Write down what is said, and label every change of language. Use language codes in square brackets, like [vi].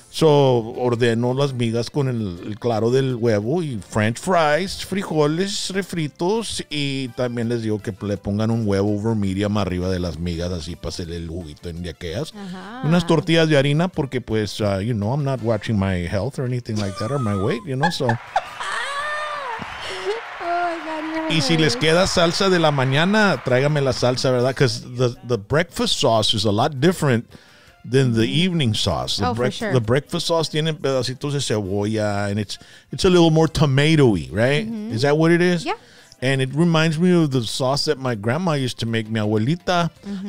[es] So, ordeno las migas con el claro del huevo y [en] French fries, [es] frijoles, refritos, y también les digo que le pongan un huevo [en] over medium [es] arriba de las migas, así para hacerle el juguito en yaqueas. Uh-huh. Unas tortillas de harina, porque pues, [en] you know, I'm not watching my health or anything like that, or my weight, you know, so. [es] Y si les queda salsa de la mañana, tráigame la salsa, ¿verdad? [en] Because the breakfast sauce is a lot different than the evening sauce. For sure. The breakfast sauce [es] tiene pedacitos de cebolla, [en] and it's a little more tomato-y, right? Mm-hmm. Is that what it is? Yeah. And it reminds me of the sauce that my grandma used to make. [es] Mi abuelita, [en] mm-hmm.